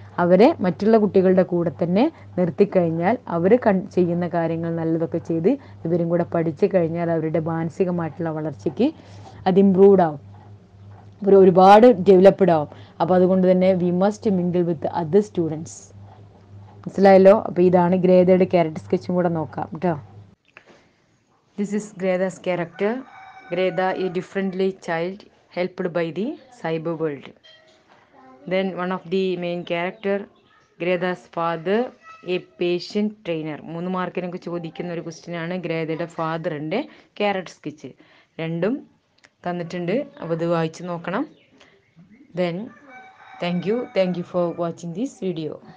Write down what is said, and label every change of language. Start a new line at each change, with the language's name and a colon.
Malayalam: അവരെ മറ്റുള്ള കുട്ടികളുടെ കൂടെ തന്നെ നിർത്തിക്കഴിഞ്ഞാൽ അവർ ചെയ്യുന്ന കാര്യങ്ങൾ നല്ലതൊക്കെ ചെയ്ത് ഇവരും കൂടെ പഠിച്ചു കഴിഞ്ഞാൽ അവരുടെ മാനസികമായിട്ടുള്ള വളർച്ചയ്ക്ക് അത് ഇമ്പ്രൂവ്ഡ് ആവും, അവർ ഒരുപാട് ഡെവലപ്ഡ് ആവും. അപ്പോൾ അതുകൊണ്ട് തന്നെ
English: We must mingle with other students.
Malayalam: മനസ്സിലായല്ലോ? അപ്പോൾ ഇതാണ് ഗ്രേതയുടെ ക്യാരക്ടർ സ്കെച്ചും കൂടെ നോക്കാം കേട്ടോ.
English: This is Greta's character. Greta is a differently child helped by the cyber world. Then one of the main character, Greta's father, a patient trainer.
Malayalam: മൂന്ന് മാർക്കിനൊക്കെ ചോദിക്കുന്ന ഒരു question ആണ് ഗ്രേതയുടെ ഫാദറിൻ്റെ ക്യാരക്ടർ സ്കെച്ച്. രണ്ടും തന്നിട്ടുണ്ട്, അപ്പോൾ അത് വായിച്ചു നോക്കണം.
English: Then thank you for watching this video.